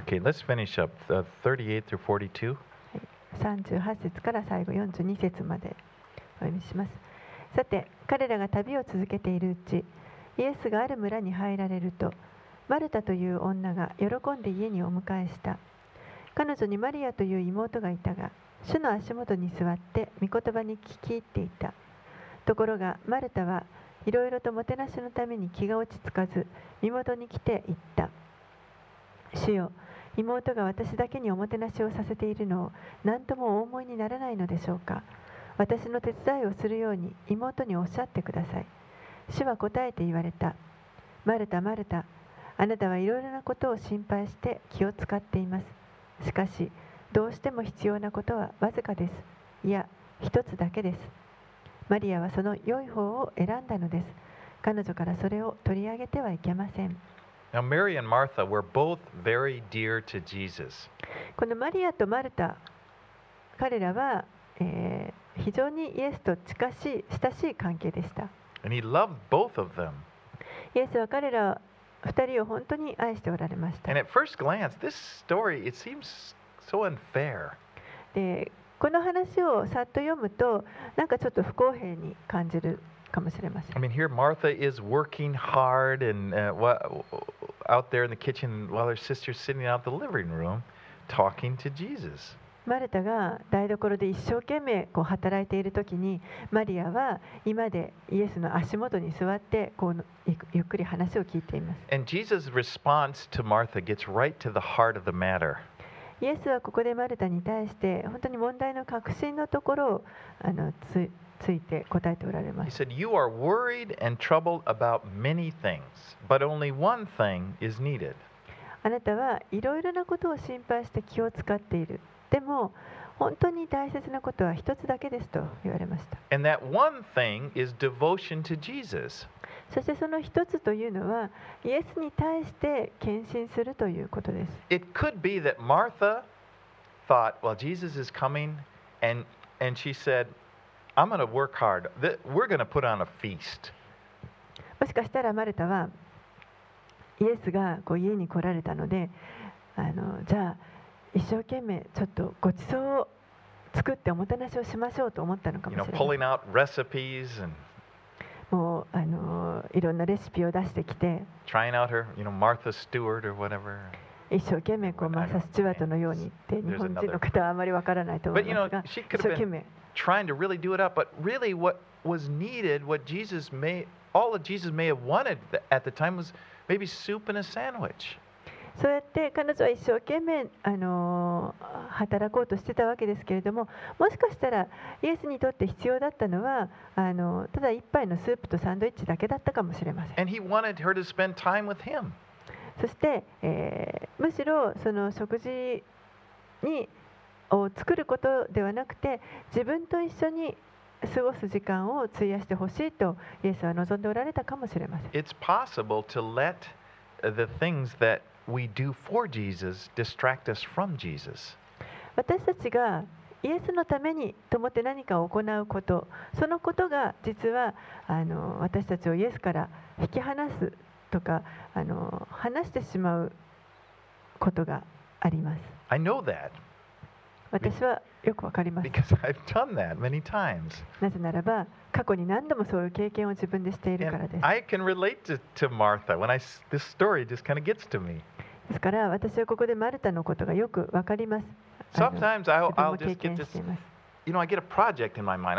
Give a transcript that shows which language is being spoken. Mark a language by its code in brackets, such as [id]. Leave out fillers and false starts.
[en] Okay, let's finish up 38 through 42. [ja] 38節から最後42節までお読みします。さて彼らが旅を続けているうち、イエスがある村に入られると、マルタという女が喜んで家にお迎えした。彼女にマリアという妹がいたが、主の足元に座って御言葉に聞き入っていた。ところがマルタはいろいろともてなしのために気が落ち着かず、身元に来て言った。主よ、妹が私だけにおもてなしをさせているのを何ともお思いにならないのでしょうか。私の手伝いをするように妹におっしゃってください。主は答えて言われた。マルタ、マルタ、あなたはいろいろなことを心配して気を使っています。しかしどうしても必要なことはわずかです。いや、一つだけです。マリアはその良い方を選んだのです。彼女からそれを取り上げてはいけません。 [en] Now, Mary and Martha were both very dear to Jesus. [ja] このマリアとマルタ、彼らは、非常にイエスと近しい、親しい関係でした。 [en] And he loved both of them. [ja] イエスは彼ら二人を本当に愛しておられました。 [en] And at first glance, this story, it seems so unfair. [ja] でこの話をさっと読むと、なんかちょっと不公平に感じるかもしれません。 [en] I mean, here Martha is working hard and out there in the kitchen while her sister's sitting out the living room talking to Jesus. [ja] マルタが台所で一生懸命こう働いているときに、マリアは居間でイエスの足元に座ってこうゆっくり話を聞いています。 [en] And Jesus' response to Martha gets right to the heart of the matter. [ja] イエスはここでマルタに対して本当に問題の核心のところを ついて答えておられます。 [en] He said, "You are worried and troubled about many things, but only one thing is needed." [ja] あなたはいろいろなことを心配して気を使っている。でも本当に大切なことは一つだけですと言われました。 [en] And that one thing is devotion to Jesus. [ja] そしてその一つというのはイエスに対して献身するということです。 [en] It could be that Martha thought, well, Jesus is coming, and she said, I'm going to work hard. We're going to put on a feast. [ja] もしかしたらマルタはイエスがこう家に来られたので、じゃあ一生懸命ちょっとごちそうを作っておもてなしをしましょうと思ったのかもしれない。 [en] You know, pulling out recipes and... [ja] もういろんなレシピを出してきて、 [en] trying out her, you know, Martha Stewart or whatever. [ja] 一生懸命こうマーサ・スチュワートのようにって日本人の方はあまりわからないと思いますが、一生懸命。 [en] But you know, she could have been trying to really do it up. But really, what was needed, what Jesus may, all that Jesus may have wanted at the time was maybe soup and a sandwich. [ja] そうやって彼女は一生懸命働こうとしてたわけですけれども、もしかしたらイエスにとって必要だったのはただ一杯のスープとサンドイッチだけだったかもしれません。 [en] And he wanted her to spend time with him. [ja] そして、むしろその食事にを作ることではなくて、自分と一緒に過ごす時間を費やしてほしいとイエスは望んでおられたかもしれません。 [en] It's possible to let the things thatWe do for Jesus, distract us from Jesus. [ja] 私たちがイエスのためにと思って何かを行うこと、そのことが実は私たちをイエスから引き離すとか離してしまうことがあります。 [en] I know that. [ja] 私はよくわかります。 [en] Because I've done that many times. [ja] なぜならば過去に何度もそういう経験を自分でしているからです。 [en] I can relate to Martha when this story just kind of gets to me. [ja] ですから私はここでマルタのことがよくわかります。 [en] Sometimes I'll just get this, you know, I get a project in my mind.